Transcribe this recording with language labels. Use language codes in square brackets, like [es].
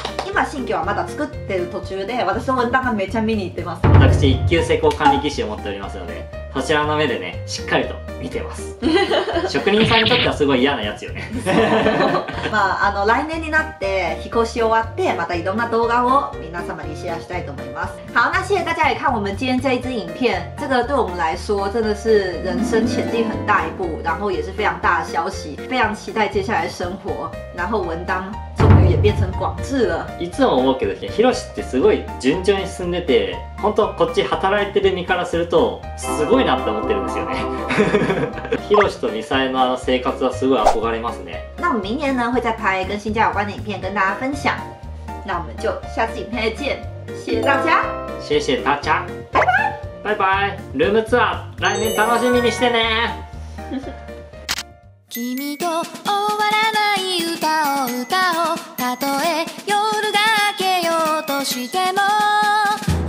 [ja] 今新居はまだ作ってる途中で、私と文旦がめちゃ見に行ってます。私一級施工管理技師を持っておりますので、そちらの目でね、しっかりと見てます。職人さんにとってはすごい嫌なやつよね。まあ、来年になって引っ越し終わって、またいろんな動画を皆様にシェアしたいと思います。 [zh] 好，那谢谢大家来看我们今天这一支影片。这个对我们来说真的是人生前进很大一步，然后也是非常大的消息。非常期待接下来生活，然后文当终于也变成广志了。 [ja] いつも思うけど、ヒロシってすごい順調に進んでて。本当こっち働いてる身からするとすごいなって思ってるんですよね。ヒロシとミサエの生活はすごい憧れますね。 [zh] 那我们明年呢会再拍跟新家有关的影片跟大家分享。那我们就下次影片再见，谢谢大家。谢谢大家。拜拜。拜拜。 [ja] ルームツアー来年楽しみにしてね。君と終わらない歌を歌おう。たとえ夜が明けようとしても。